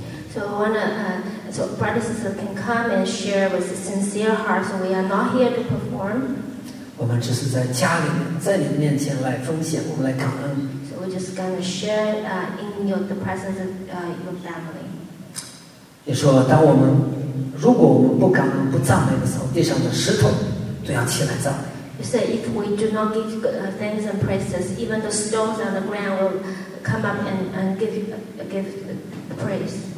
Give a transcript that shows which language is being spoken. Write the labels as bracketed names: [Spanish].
[English] So we wanna, so brothers and sisters can come and share with a sincere heart. So we are not here to perform. [Chinese] 我们只是在家里面，在你面前来分享，我们来感恩。 [English] So we just gonna share, in your the presence of, your family. [Chinese] 你说，当我们如果我们不感恩、不赞美的时候，地上的石头都要起来赞美。 [English] You say if we do not give thanks and praises, even the stones on the ground will come up and give praise.